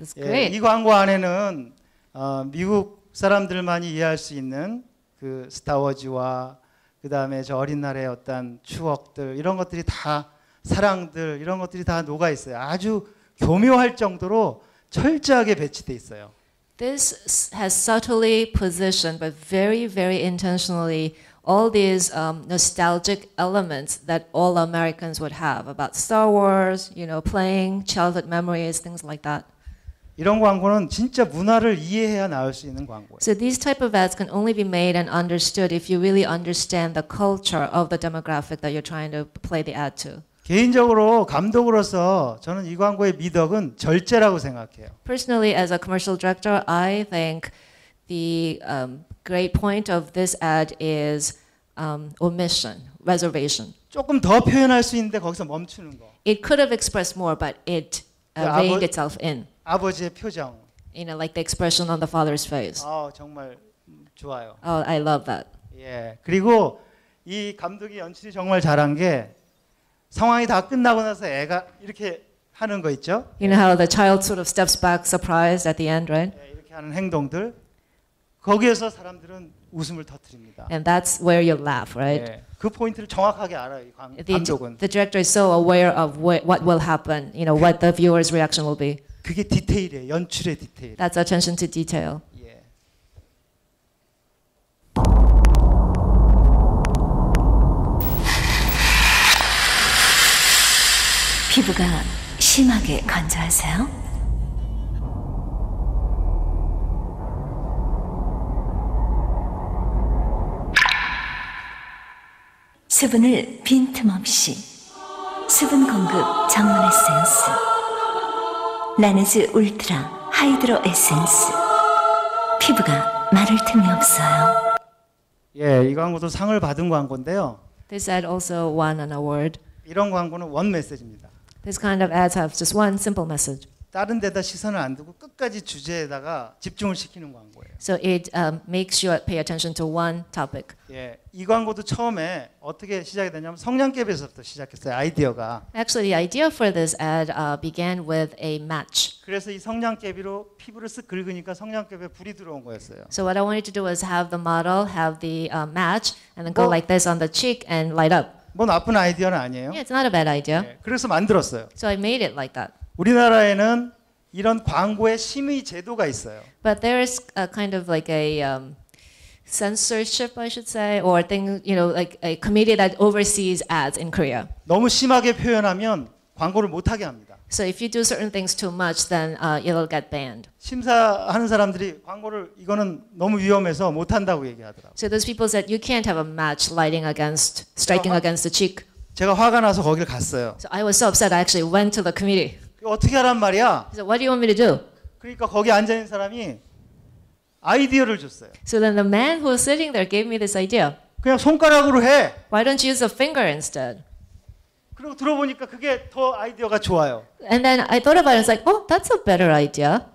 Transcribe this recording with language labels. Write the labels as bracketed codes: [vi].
[ko] 예, 이 광고 안에는 미국 사람들만이 이해할 수 있는 그 스타워즈와 그 다음에 저 어린 날의 어떤 추억들 이런 것들이 다 사랑들 이런 것들이 다 녹아 있어요. 아주 교묘할 정도로 철저하게 배치돼 있어요. [en] This has subtly positioned, but very, very intentionally. All these nostalgic elements that all Americans would have about Star Wars, you know, playing, childhood memories, things like that. [ko] 이런 광고는 진짜 문화를 이해해야 나올 수 있는 광고예요. [en] So these type of ads can only be made and understood if you really understand the culture of the demographic that you're trying to play the ad to. [ko] 개인적으로 감독으로서 저는 이 광고의 미덕은 절제라고 생각해요. [en] Personally, as a commercial director, I think the great point of this ad is omission, reservation. [ko] 조금 더 표현할 수 있는데 거기서 멈추는 거. [en] It could have expressed more, but it reined itself in. [ko] 아버지의 표정. [en] You know, like the expression on the father's face. [ko] 아, 정말 좋아요. [en] Oh, I love that. [ko] 예, 그리고 이 감독이 연출이 정말 잘한 게 상황이 다 끝나고 나서 애가 이렇게 하는 거 있죠? [en] You know how the child sort of steps back surprised at the end, right? [ko] 예, 이렇게 하는 행동들. 거기에서 사람들은 웃음을 터뜨립니다. [en] And that's where you laugh, right? [ko] 예, 그 포인트를 정확하게 알아요, 감독은. [en] The director is so aware of what will happen, you know, what the viewer's reaction will be. [ko] 그게 디테일이에요, 연출의 디테일. [en] That's attention to detail. [ko] 예. 피부가 심하게 건조하세요? 수분을 빈틈없이 수분 공급 전문 에센스 라네즈 울트라 하이드로 에센스 피부가 마를 틈이 없어요. 예, 이 광고도 상을 받은 광고인데요. [en] This ad also won an award. [ko] 이런 광고는 원 메시지입니다. [en] This kind of ads have just one simple message. [ko] 다른 데다 시선을 안 두고 끝까지 주제에다가 집중을 시키는 광고예요. [en] So it makes you pay attention to one topic. [ko] 예, 이 광고도 처음에 어떻게 시작이 되냐면 성냥개비에서부터 시작했어요, 아이디어가. [en] Actually, the idea for this ad began with a match. [ko] 그래서 이 성냥개비로 피부를 쓱 긁으니까 성냥개비에 불이 들어온 거였어요. [en] So what I wanted to do was have the model have the match and then go like this on the cheek and light up. [ko] 뭐 나쁜 아이디어는 아니에요. [en] Yeah, it's not a bad idea. 예, [ko] 그래서 만들었어요. [en] So I made it like that. [ko] 우리나라에는 이런 광고의 심의 제도가 있어요. [en] But there is a kind of like a censorship, I should say, or thing, you know, like a committee that oversees ads in Korea. [ko] 너무 심하게 표현하면 광고를 못 하게 합니다. [en] So if you do certain things too much, then it'll get banned. [ko] 심사하는 사람들이 광고를 이거는 너무 위험해서 못 한다고 얘기하더라고. [en] So those people said you can't have a match lighting against striking against the cheek. [ko] 제가 화가 나서 거기를 갔어요. [en] So I was so upset. I actually went to the committee. [ko] 어떻게 하란 말이야? [en] So what do you want me to do? [ko] 그러니까 거기 앉아 있는 사람이 아이디어를 줬어요. [en] So then the man who was sitting there gave me this idea. [ko] 그냥 손가락으로 해. [en] Why don't you use a finger instead? [ko] 그리고 들어보니까 그게 더 아이디어가 좋아요. [en] And then I thought about it. I was like, oh, that's a better idea.